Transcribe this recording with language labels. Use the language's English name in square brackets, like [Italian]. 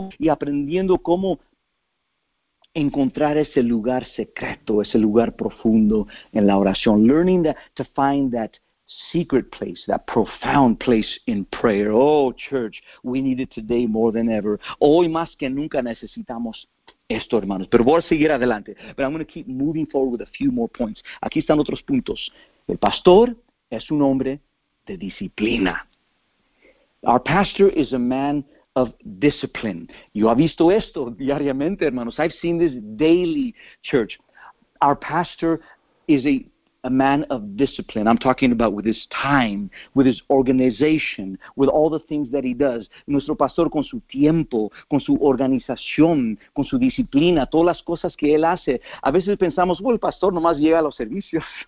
[Spanish] Aprendiendo cómo encontrar ese lugar secreto, ese lugar profundo en la oración. [English] Learning to find that secret place, that profound place in prayer. Oh, church, we need it today more than ever. [Spanish] Hoy más que nunca necesitamos esto, hermanos. Pero voy a seguir adelante. [English] But I'm going to keep moving forward with a few more points. [Spanish] Aquí están otros puntos. El pastor es un hombre de disciplina. [English] Our pastor is a man of discipline. [Spanish] Yo ha visto esto diariamente, hermanos. [English] I've seen this daily, church. Our pastor is a man of discipline. I'm talking about with his time, with his organization, with all the things that he does. [Spanish] Nuestro pastor con su tiempo, con su organización, con su disciplina, todas las cosas que él hace. A veces pensamos, el pastor nomás llega a los servicios.